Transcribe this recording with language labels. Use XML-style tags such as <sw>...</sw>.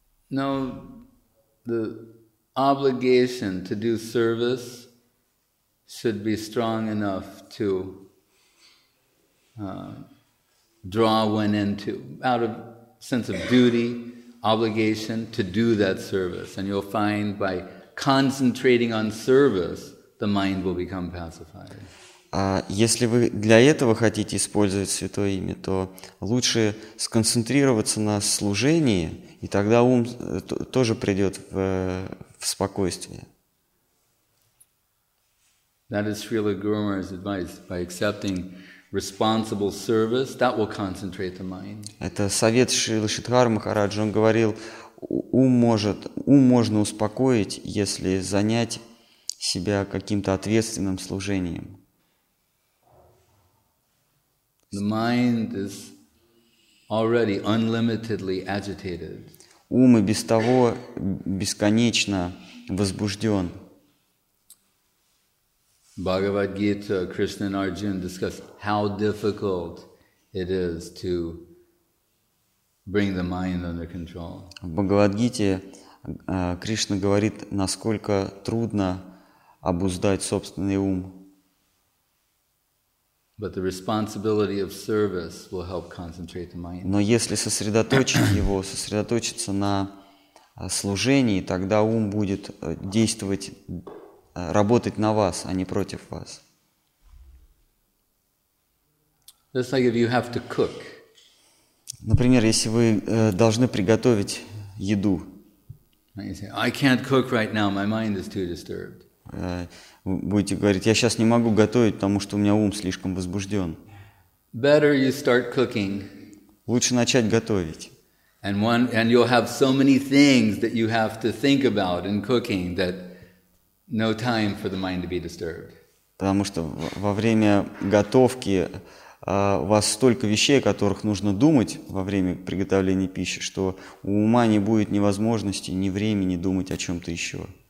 <en>No, the obligation to do service should be strong enough to draw one into out of sense of duty, obligation to do that service. And you'll find by concentrating on service, the mind will become pacified.</en> <ru>Если вы для этого хотите использовать святое имя, то лучше сконцентрироваться на служении, и тогда ум тоже придет в спокойствие.</ru> <en>That is Srila Gurumar's advice. By accepting responsible service, that will concentrate the mind.</en> <ru>Это совет Шрилы Шридхары Махараджи. Он говорил, ум можно успокоить, если занять себя каким-то ответственным служением.</ru> <en>The mind is already unlimitedly agitated.</en> <ru>Ум и без того бесконечно возбужден.</ru> <en>Bhagavad Gita, Krishna and Arjuna discuss how difficult it is to bring the mind under control.</en> <ru>В Бхагавад Гите Кришна говорит, насколько трудно обуздать собственный ум.</ru> <en>But the responsibility of service will help concentrate the mind.</en> <ru>Но если сосредоточить его, сосредоточиться на служении, тогда ум будет действовать, работать на вас, а не против вас.</ru> <en>Just like if you have to cook.</en> <ru>Например, если вы должны приготовить еду.</ru> <en>And you say, I can't cook right now, my mind is too disturbed.</en> <ru>Будете говорить, я сейчас не могу готовить, потому что у меня ум слишком возбужден.</ru> <en>Better you start cooking.</en> <ru>Лучше начать готовить.</ru> <en>And you'll have so many things that you have to think about in cooking that no time for the mind to be disturbed.</en> <ru>Потому что во время готовки у вас столько вещей, о которых нужно думать во время приготовления пищи, что у ума не будет ни возможности, ни времени думать о чем-то еще.</ru>